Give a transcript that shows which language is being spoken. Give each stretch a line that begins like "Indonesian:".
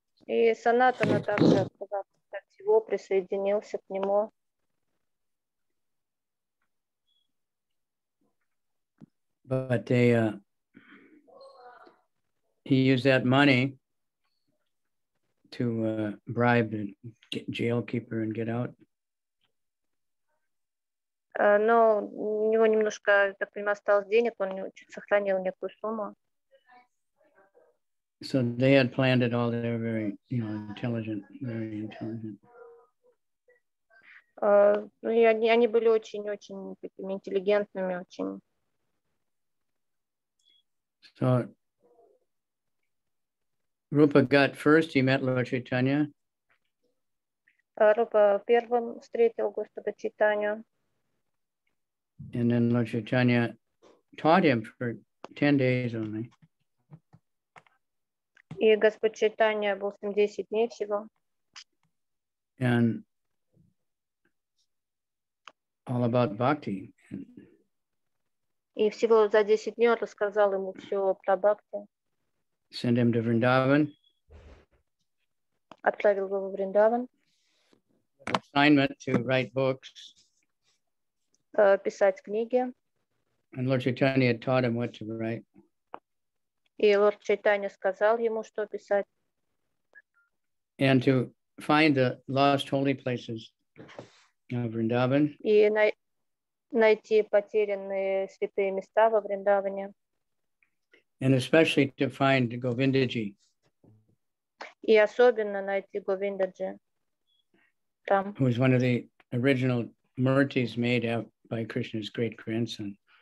Russian: И Санатана также отказался от всего, присоединился к нему.
English: But they, he used that money to bribe the jailkeeper and get out.
Russian: Но у него немножко, так понимаю, осталось денег, он чуть сохранил некую сумму.
English: So they had planned it all. They were very, you know, intelligent, very intelligent.
Russian: Они были очень-очень такими интеллигентными, очень.
English: So Rupa got first, he met Lord Chaitanya.
Russian: Rupa первым встретил Господа Чайтанью.
English: And then Lord Chaitanya taught him for 10 days only.
Russian: И Господь Чайтанья был с ним 10 дней всего.
English: And all about bhakti.
Russian: И всего за 10 дней он рассказал ему все про бхакти.
English: Send him to Vrindavan.
Russian: Отправил его в Вриндаван.
English: Assignment to write books.
Russian: Писать книги.
English: And Lord Chaitanya had taught him what to write.
Russian: И Лорд Чайтанья сказал ему, что писать.
English: And to find the lost holy places of Vrindavan.
Russian: И найти потерянные святые места во Вриндаване.
English: And especially to find Govindaji.
Russian: И особенно найти Говиндаджи. Там.
English: Who was one of the original murtis made out by Krishna's great grandson.